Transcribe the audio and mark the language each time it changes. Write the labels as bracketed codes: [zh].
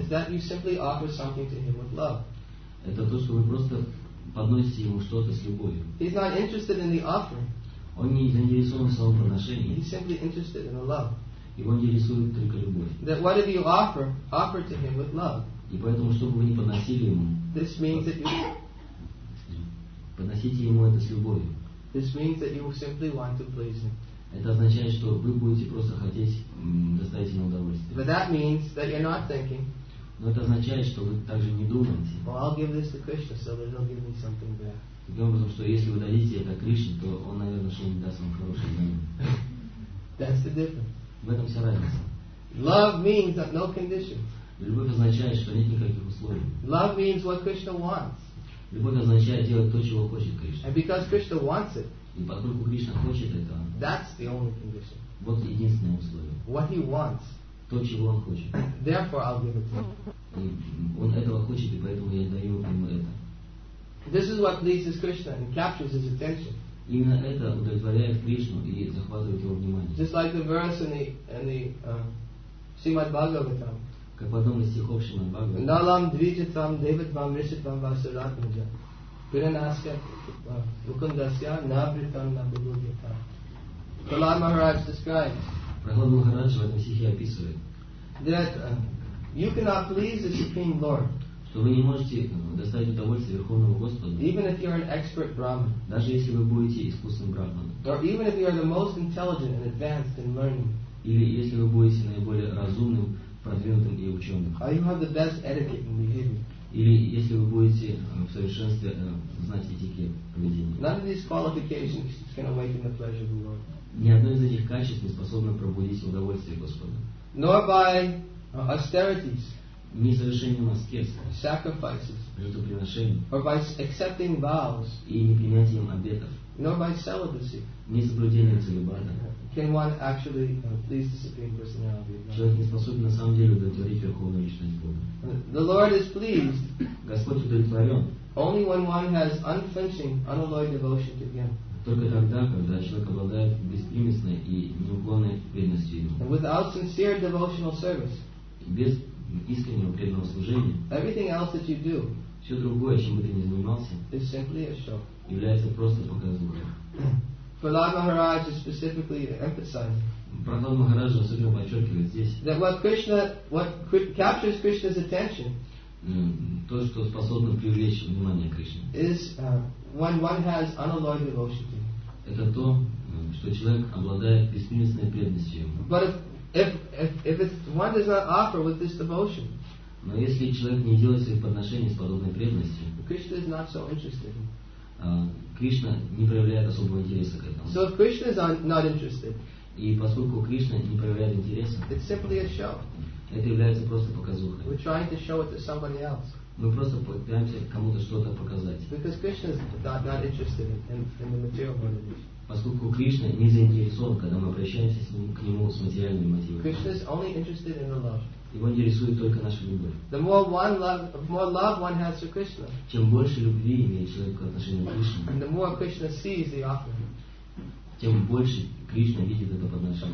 [en] Is that you simply offer something to him with love? [ru] Это то, что вы просто подносите ему что-то с любовью. [en] He's not interested in the offering. [ru] Он не заинтересован в самом подношении. [en] He's simply interested in the love. [ru] Его интересует только любовь. [en] That whatever you offer, offer to him with love. [ru] И поэтому, что бы вы ни подносили ему, [en] this means that you... [ru] подносите ему это с любовью. [en] This means that you simply want to please him. [ru] Это означает, что вы будете просто хотеть доставить ему удовольствие. [en] But that means that you're not thinking, [ru] но это означает, что вы также не думаете. [en] Well, I'll give this to Krishna, so that he'll give me something back. [ru] Таким образом, что если вы дадите это Кришне, то он, наверное, что-нибудь даст вам хорошее взамен. [en] That's the difference. [ru] В этом вся разница. [en] Love means that no conditions. [ru] Любовь означает, что нет никаких условий. [en] Love means what Krishna wants. [ru] Любовь означает делать то, чего хочет Кришна. [en] And because Krishna wants it. [ru] И поскольку Кришна хочет этого, [en] that's the only condition. [ru] Вот единственное условие. [en] What he wants. [ru] То, чего он хочет. [en] Therefore, I'll give it to him. [ru] Он этого хочет, и поэтому я даю ему это. [en] This is what pleases Krishna and captures his attention. [ru] Именно это удовлетворяет Кришну и захватывает его внимание. [en] Just like the verse in the Srimad Bhagavatam. [ru] Как в одном из стихов Srimad Bhagavatam. [sa] Nalam dvijatam devatvam rishatvam vasaratmaja. Piranasya Vukundasya Navritam Nabhudyata. [en] Prahlad Maharaj describes [ru] Prahlad Maharaj [en] in this stiche [ru] описывает [en] that You cannot please the Supreme Lord. [ru] Что вы не можете доставить удовольствие Верховному Господу. [en] Even if you're an expert Brahman. [ru] Даже если вы будете искусным Брахманом. [en] Or even if you are the most intelligent and advanced in learning. [ru] Или если вы будете наиболее разумным, продвинутым и ученым. [en] Or you have the best etiquette and behavior. [ru] Или если вы будете в совершенстве знать этикет поведения. [en] None of these qualifications can awaken the pleasure of the Lord. [ru] Ни одно из этих качеств не способно пробудить удовольствие Господа. [en] Nor by austerities. [ru] Ни совершением аскез. [en] Sacrifices. [ru] Жертвоприношений. [en] Or by accepting vows. [ru] И не принятием обетов. [en] Nor by celibacy. [ru] Ни соблюдением целибата. [en] Can one actually please the Supreme Personality? [ru] Человек не способен на самом деле удовлетворить Верховную Личность Бога. [en] The Lord is pleased. [ru] Господь удовлетворен. [en] Only when one has unflinching, unalloyed devotion to Him. [ru] Только тогда, когда человек обладает беспримесной и неуклонной преданностью Ему. [en] And without sincere devotional service. [ru] Без искреннего преданного служения. [en] Everything else that you do. [ru] Все другое, чем бы ты ни занимался. [en] Is simply a show. [ru] Является просто показухой. [en] Prahlad Maharaj is specifically emphasizing. [ru] Prahlad Maharaj особенно подчеркивает здесь. [en] That what captures Krishna's attention. [ru] То, что способно привлечь внимание Кришны. [en] Is when one has unalloyed devotion to him. [ru] Это то, что человек обладает беспримесной преданностью ему. [en] But if one does not offer with this devotion. [ru] Но если человек не делает своих подношений с подобной преданностью. [en] Krishna is not so interested. [ru] Кришна не проявляет особого интереса к этому. [en] So if Krishna is not interested. [ru] И поскольку Кришна не проявляет интереса. [en] It's simply a show. [ru] Это является просто показухой. [en] We're trying to show it to somebody else. [ru] Мы просто пытаемся кому-то что-то показать. [en] Because Krishna is not interested in the material world. [ru] Поскольку Кришна не заинтересован, когда мы обращаемся к нему с материальными мотивами. [en] Krishna is only interested in the love. [ru] Его интересует только наша любовь. [en] The more one love, more love one has for Krishna. [ru] Чем больше любви имеет человек к отношению к Кришне. [en] And the more Krishna sees the offering. [ru] Тем больше Кришна видит это подношение.